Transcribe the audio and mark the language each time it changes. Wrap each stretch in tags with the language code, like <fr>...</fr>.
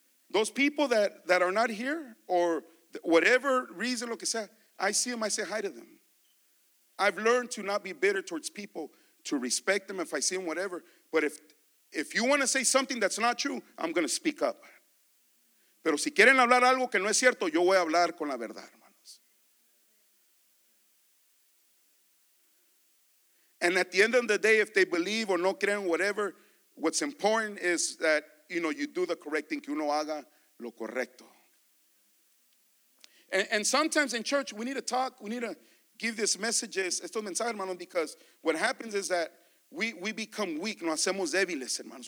<en>Those people that are not here, or whatever reason,</en> <es>lo que sea,</es> <en>I see them, I say hi to them. I've learned to not be bitter towards people, to respect them if I see them, whatever. But if you want to say something that's not true, I'm going to speak up.</en> <es>Pero si quieren hablar algo que no es cierto, yo voy a hablar con la verdad, hermanos.</es> <en>And at the end of the day, if they believe or</en> <es>no creen,</es> <en>whatever, what's important is that, you know, you do the correct thing,</en> <es>que uno haga lo correcto.</es> <en>And sometimes in church, we need to talk, we need to give these messages,</en> <es>estos mensajes, hermanos,</es> <en>because what happens is that we become weak,</en> <es>nos hacemos débiles, hermanos.</es>